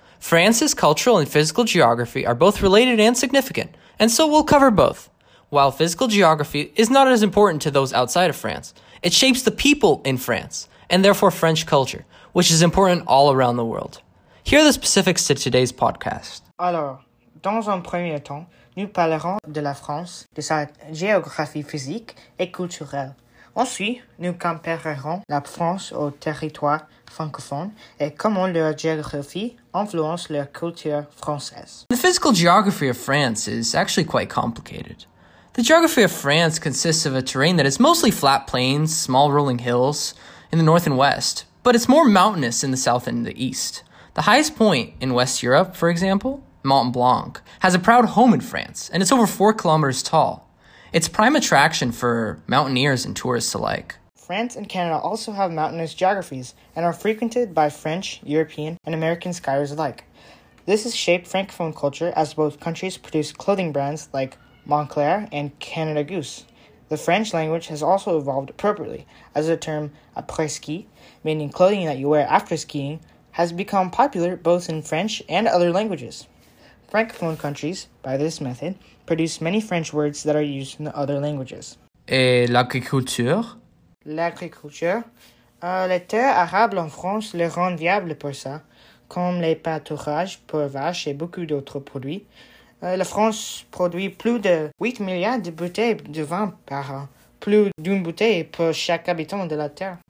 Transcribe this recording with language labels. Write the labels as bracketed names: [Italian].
[English] France's cultural and physical geography are both related and significant, and so we'll cover both. While physical geography is not as important to those outside of France, it shapes the people in France, and therefore French culture, which is important all around the world. Here are the specifics to today's podcast. [French] Alors, dans un premier temps, nous parlerons de la France, de sa géographie physique et culturelle. Ensuite, nous comparerons la France au territoire francophone et comment leur géographie influence leur culture française. [English] The physical geography of France is actually quite complicated. The geography of France consists of a terrain that is mostly flat plains, small rolling hills in the north and west, but it's more mountainous in the south and the east. The highest point in West Europe, for example, Mont Blanc, has a proud home in France, and it's over 4 kilometers tall. It's prime attraction for mountaineers and tourists alike. France and Canada also have mountainous geographies and are frequented by French, European, and American skiers alike. This has shaped Francophone culture as both countries produce clothing brands like Montclair and Canada Goose. The French language has also evolved appropriately as the term après-ski, meaning clothing that you wear after skiing, has become popular both in French and other languages. Francophone countries, by this method, produce many French words that are used in the other languages. [French] Et l'agriculture? L'agriculture. Les terres arables en France les rendent viables pour ça, comme les pâturages pour vaches et beaucoup d'autres produits. La France produit plus de 8 milliards de bouteilles de vin par an, plus d'une bouteille pour chaque habitant de la terre.